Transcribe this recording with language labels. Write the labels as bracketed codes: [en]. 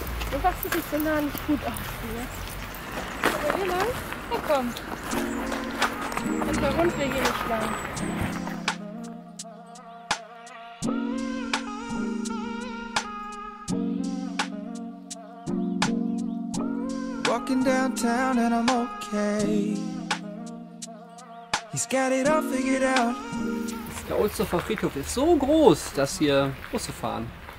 [de] Du machst dich so nah nicht gut aus hier. Aber hier lang? Na komm. Und der Hund will hier nicht lang. [en] Walking downtown and I'm okay. He's got it all figured out. [de] Der Ohlsdorfer Friedhof ist so groß, dass hier Busse fahren.